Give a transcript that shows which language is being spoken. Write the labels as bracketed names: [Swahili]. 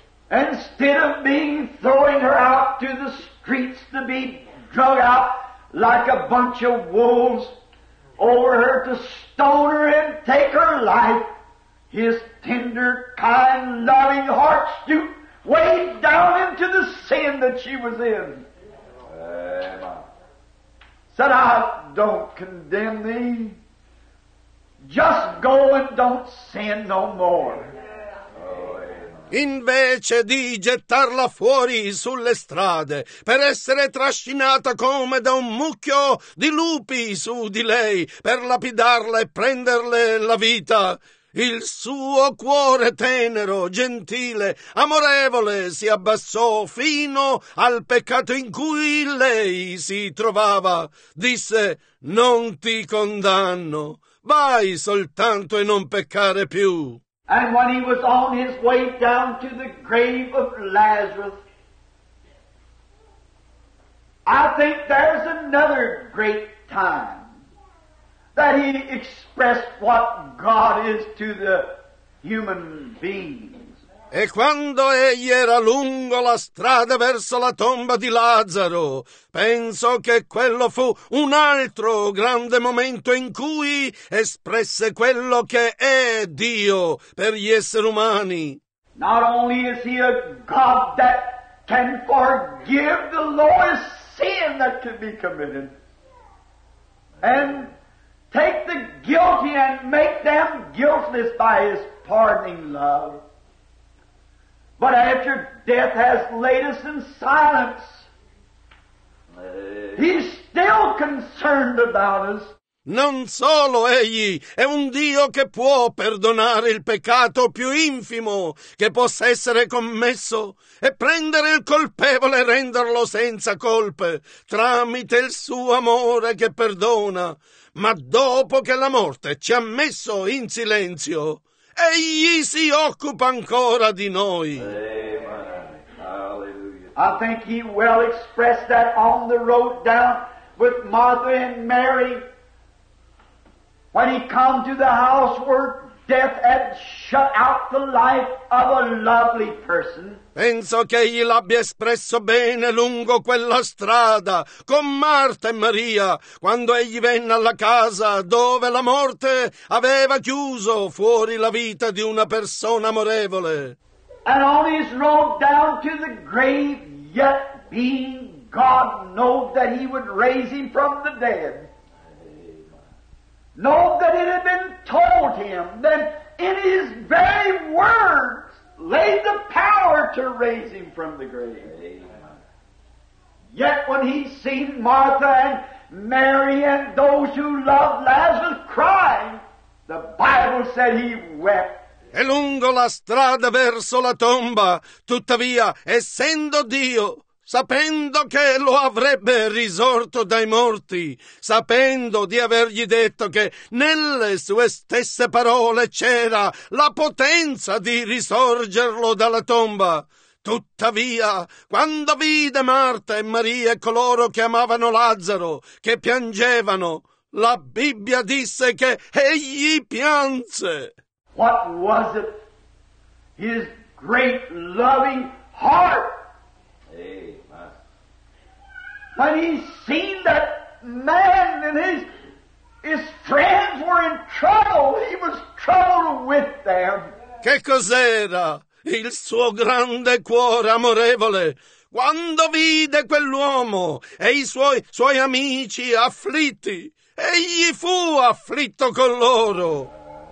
[English] Instead of being throwing her out to the streets to be drug out like a bunch of wolves over her to stone her and take her life, his tender, kind, loving heart stooped way down into the sin that she was in. Said, "I don't condemn thee. Just go and don't sin no more." [Italian] Invece di gettarla fuori sulle strade per essere trascinata come da un mucchio di lupi su di lei per lapidarla e prenderle la vita, Il suo cuore tenero, gentile, amorevole si abbassò fino al peccato in cui lei si trovava. Disse: non ti condanno, vai soltanto e non peccare più. [English] And when he was on his way down to the grave of Lazarus, I think there's another great time that he expressed what God is to the human beings. [Italian] E quando egli era lungo la strada verso la tomba di Lazzaro, penso che quello fu un altro grande momento in cui espresse quello che è Dio per gli esseri umani. [English] Not only is he a God that can forgive the lowest sin that could be committed and take the guilty and make them guiltless by his pardoning love, but after death has laid us in silence, he's still concerned about us. [Italian] Non solo egli è un Dio che può perdonare il peccato più infimo che possa essere commesso e prendere il colpevole e renderlo senza colpe tramite il suo amore che perdona, ma dopo che la morte ci ha messo in silenzio, egli si occupa ancora di noi. [English] I think he well expressed that on the road down with Martha and Mary. When he come to the house where death had shut out the life of a lovely person. [Italian] Penso che egli l'abbia espresso bene lungo quella strada con Marta e Maria, quando egli venne alla casa dove la morte aveva chiuso fuori la vita di una persona amorevole. [English] And on his road down to the grave, yet being God, know that he would raise him from the dead. Know that it had been told him that in his very words lay the power to raise him from the grave. Yet when he seen Martha and Mary and those who loved Lazarus crying, the Bible said he wept. [Italian] E lungo la strada verso la tomba, tuttavia, essendo Dio, sapendo che lo avrebbe risorto dai morti, sapendo di avergli detto che nelle sue stesse parole c'era la potenza di risorgerlo dalla tomba, tuttavia, quando vide Marta e Maria e coloro che amavano Lazzaro, che piangevano, la Bibbia disse che egli pianse. [English] What was it? His great loving heart. When he seen that man and his friends were in trouble, he was troubled with them. [Italian] Che cos'era il suo grande cuore amorevole quando vide quell'uomo e i suoi amici afflitti? Egli fu afflitto con loro.